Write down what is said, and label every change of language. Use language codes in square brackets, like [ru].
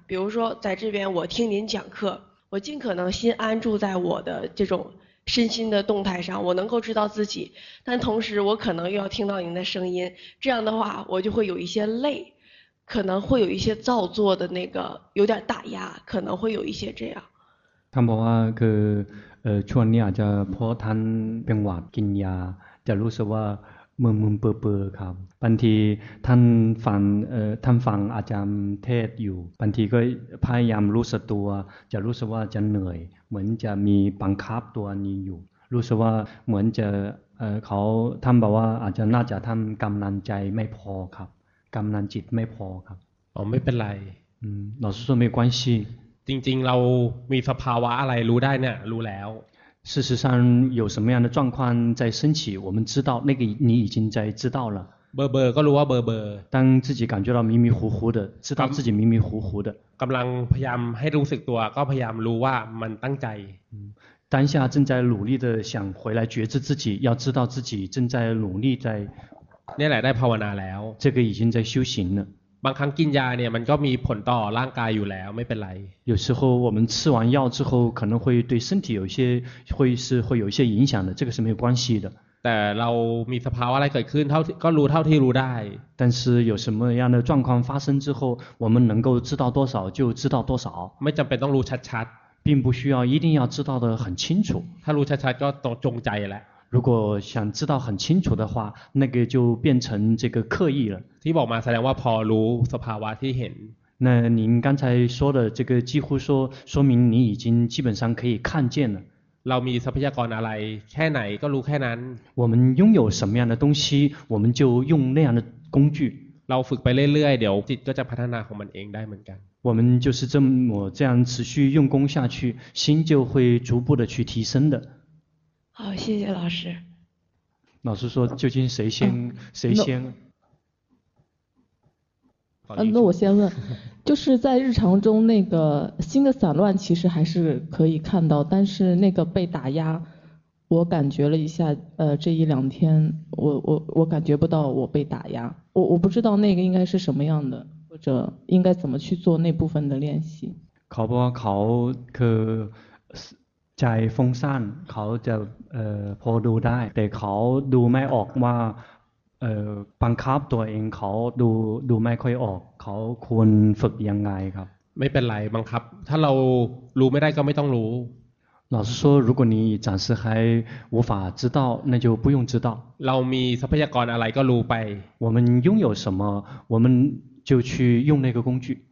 [zh] 比如说在这边我听您讲课，我尽可能心安住在我的这种身心的动态上，我能够知道自己，但同时我可能又要听到您的声音，这样的话我就会有一些累，可能会有一些造作的那个有点打压，可能会有一些这样。 [th] ท่านบอกว่าคือช่วงนี้อาจจะเพราะท่านเป็นหวัดกินยาจะรู้สึกว่ามึนมึนเบื่อครับบางทีท่านฟังท่านฟังอาจารย์เทศอยู่บางทีก็พยายามรู้สึกตัวจะรู้สึกว่าจะเหนื่อยเหมือนจะมีบังคับตัวนี้อยู่รู้สึกว่าเหมือนจะเขาท่านบอกว่าอาจจะน่าจะท่านกำลังใจไม่พอครับกำลังจิตไม่พอครับ อ๋อไม่เป็นไร หลวงพ่อไม่มีความสิ จริงๆเรามีสภาวะอะไรรู้ได้เนี่ยรู้แล้ว [zh] 事实上有什么样的状况在升起我们知道那个你已经在知道了 [th] เบอร์เบอร์ก็รู้ว่าเบอร์เบอร์ [zh] 当自己感觉到迷迷糊糊的知道自己迷迷糊糊的 [th] กำลังพยายามให้รู้สึกตัวก็พยายามรู้ว่ามันตั้งใจ [zh] 当下正在努力的想回来觉知自己要知道自己正在努力在 [th] นี่แหละได้ภาวนาแล้ว [zh] 这个已经在修行了 [th] บางครั้งกินยาเนี่ยมันก็มีผลต่อร่างกายอยู่แล้วไม่เป็นไร [zh] 有时候我们吃完药之后可能会对身体有一些会是会有一些影响的这个是没有关系的 [th] แต่เรามีสภาวะอะไรเกิดขึ้นเท่าก็รู้เท่าที่รู้ได้ [zh] 但是有什么样的状况发生之后我们能够知道多少就知道多少 [th] ไม่จำเป็นต้องรู้ชัด [zh] ๆ并不需要一定要知道的很清楚 [th] ถ้ารู้ชัดๆก็ต้องจงใจแหละ [zh] 如果想知道很清楚的话那个就变成这个刻意了 [th] ที่บอกมาแสดงว่าพอรู้สภาวะที่เห็น [zh] 那您刚才说的这个几乎说说明你已经基本上可以看见了 [th] เรามีทรัพยากรอะไรแค่ไหนก็รู้แค่นั้น [zh] 我们拥有什么样的东西我们就用那样的工具 [th] เราฝึกไปเรื่อยๆเดี๋ยวจิตก็จะพัฒนาของมันเองได้เหมือนกัน [zh] 我们就是这么这样持续用功下去心就会逐步的去提升的好，谢谢老师。老师说，究竟谁先？谁先？那我先问，就是在日常中，那个心的散乱其实还是可以看到，但是那个被打压，我感觉了一下，这一两天，我感觉不到我被打压，我不知道那个应该是什么样的，或者应该怎么去做那部分的练习。考不考可？ [th] ใจฟุ้งซ่านเขาจะพอดูได้แต่เขาดูไม่ออกว่าบังคับตัวเองเขาดูไม่ค่อยออกเขาควรฝึกยังไงครับ ไม่เป็นไรบังคับถ้าเรารู้ไม่ได้ก็ไม่ต้องรู้ [zh] 老师说如果你暂时还无法知道那就不用知道 [th] เรามีทรัพยากรอะไรก็รู้ไป [zh] 我们拥有什么我们就去用那个工具